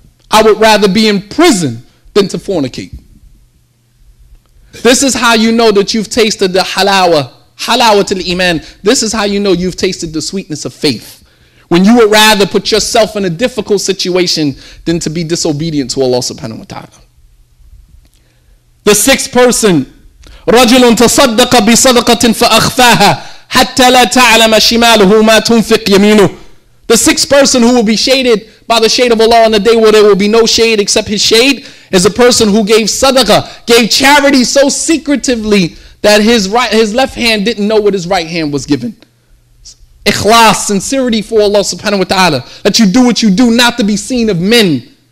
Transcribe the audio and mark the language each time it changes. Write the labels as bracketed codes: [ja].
[en] I would rather be in prison than to fornicate. This is how you know that you've tasted the halawa, halawa til iman. This is how you know you've tasted the sweetness of faith. When you would rather put yourself in a difficult situation than to be disobedient to Allah subhanahu wa ta'ala. The sixth person, [ar] رَجُلٌ تَصَدَّقَ بِصَدَقَةٍ فَأَخْفَاهَا حَتَّى لَا تَعْلَمَ شِمَالُهُ مَا تُنْفِقْ يَمِينُهُ. [en] The sixth person who will be shaded by the shade of Allah on the day where there will be no shade except his shade is a person who gave sadaqah, gave charity so secretively that his right, his left hand didn't know what his right hand was given. Ikhlas, sincerity for Allah subhanahu wa ta'ala, that you do what you do not to be seen of men.